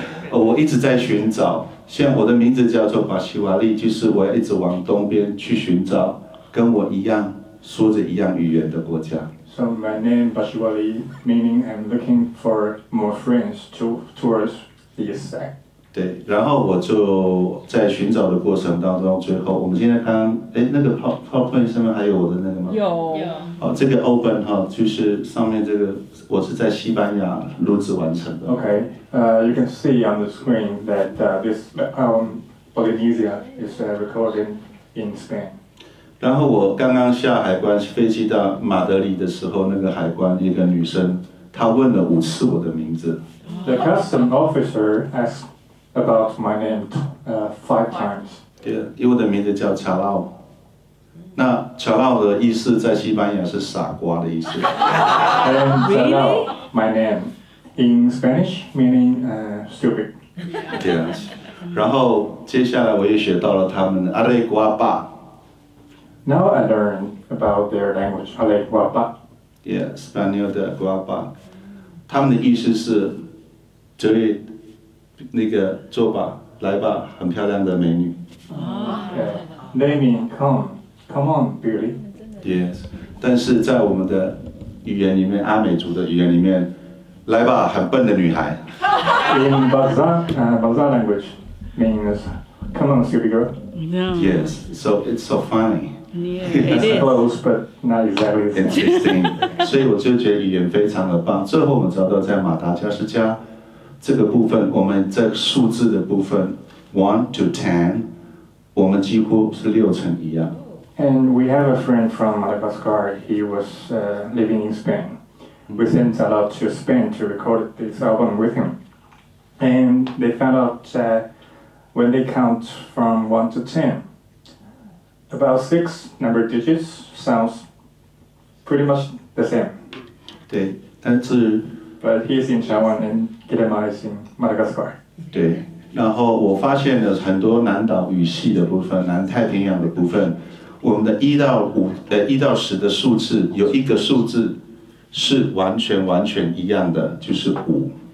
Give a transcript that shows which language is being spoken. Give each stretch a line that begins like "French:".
Chinese: 我一直在寻找，现在我的名字叫做巴西瓦利，就是我要一直往东边去寻找跟我一样说着一样语言的国家。
English: So my name Bashiwali, meaning I'm looking for more friends towards the east side.
Chinese: 对，然后我就在寻找的过程当中，最后我们现在看，哎，那个 PowerPoint 上面还有我的那个吗？有。哦，这个 Open 哈、哦，就是上面这个，我是在西班牙录制完成的。
English: Okay, you can see on the screen that this Polynesia is recording in Spain.
Chinese: 然后我刚刚下海关飞机到马德里的时候，那个海关一个女生，她问了五次我的名字。
English: The custom officer asked about my name five times.
Chinese: 对，因为我的名字叫 Chalaw。那 Chalaw 的意思在西班牙是傻瓜的意思。
English: And Chalaw, my name in Spanish meaning stupid.
Chinese: 对啊，然后接下来我也学到了他们的阿雷瓜巴。
English: Now I learn about their language, Ale Guapa. Yeah, Spanish de Guapa.
Chinese: 他们的意思是，这里那个坐吧，来吧，很漂亮的美女。
English: They mean come on, beauty.
Chinese: Yes, 但是在我们的语言里面，阿美族的语言里面，来吧，很笨的女孩。
English: In Bazaar language means come on, stupid girl. No. Yes, so it's so funny. Yeah, it is. Close, but not exactly the same. Interesting.
Chinese: 所以我就觉得语言非常的棒。最后我们找到在马达加斯加这个部分，我们在数字的部分 ，
English: one to ten，
Chinese: 我们几乎是六成一样。
English: And we have a friend from Madagascar. He was living in Spain. We sent Chalaw to Spain to record this album with him. And they found out that when they count from 1 to 10, about 6 number digits sounds pretty much the same.
Chinese: 对，但是
English: But he's in Taiwan and Guillemot in Madagascar.
Chinese: 对，然后我发现了很多南岛语系的部分，南太平洋的部分，我们的一到五，一到十的数字有一个数字是完全完全一样的，就是五。